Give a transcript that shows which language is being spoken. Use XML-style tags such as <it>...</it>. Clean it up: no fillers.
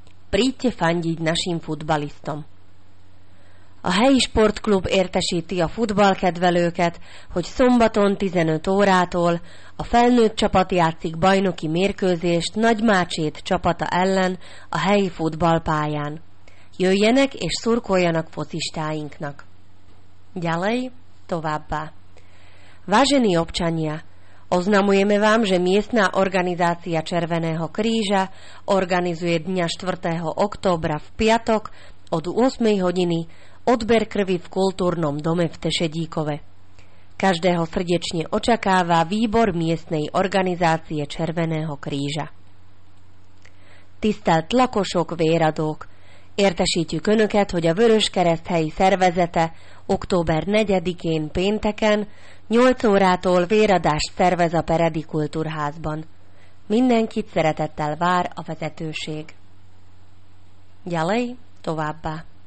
<sk>Príďte fandiť našim futbalistom.</sk> <hu>Hej, športklub értesíti a futballkedvelőket, hogy szombaton 15 órától a felnőtt csapat játszik bajnoki mérkőzést Nagymácsét csapata ellen a helyi futballpályán. Jöjjenek és szurkoljanak focistáinknak.</hu> <sk>Ďalej,</sk> <hu>továbbá.</hu> <sk>Vážení občania, oznamujeme vám, že miestna organizácia Červeného kríža organizuje dňa 4. októbra v piatok od 8. hodiny odber krvi v kultúrnom dome v Tešedíkove. Každého srdečne očakáva výbor miestnej organizácie Červeného kríža.</sk> <hu>Tisztelt lakosok, véradók! Értesítjük Önöket, hogy a Vöröskereszt helyi szervezete október 4-én pénteken 8 órától véradást szervez a Peredi Kultúrházban. Mindenkit szeretettel vár a vezetőség. Gyalej, továbbá!</hu>